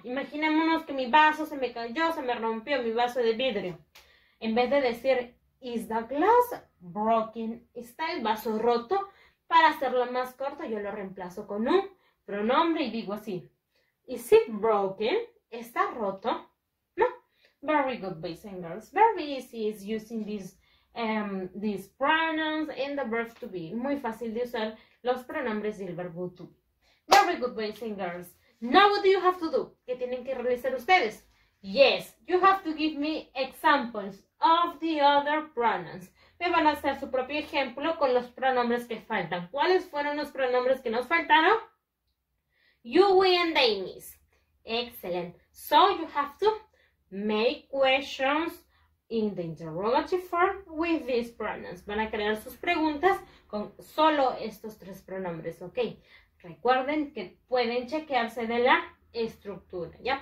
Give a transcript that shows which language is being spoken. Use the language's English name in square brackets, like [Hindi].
[Spanish] Imaginémonos que mi vaso se me cayó, se me rompió, mi vaso de vidrio. En vez de decir, [English] is the glass broken, [Spanish] ¿está el vaso roto? Para hacerlo más corto, yo lo reemplazo con un pronombre y digo así, [English] is it broken, [Spanish] ¿está roto? [English] Very good, boys and girls. Very easy is using these pronouns and the verb to be. [Spanish] Muy fácil de usar los pronombres y el verbo to. [English] Very good, boys and girls. Now what do you have to do? [Spanish] ¿Qué tienen que realizar ustedes? [English] Yes, you have to give me examples of the other pronouns. [Spanish] Me van a hacer su propio ejemplo con los pronombres que faltan. ¿Cuáles fueron los pronombres que nos faltaron? [English] You, we, and they, miss. Excellent. So you have to make questions in the interrogative form with these pronouns. [Spanish] Van a crear sus preguntas con solo estos tres pronombres, ¿ok? Recuerden que pueden chequearse de la estructura, ¿ya?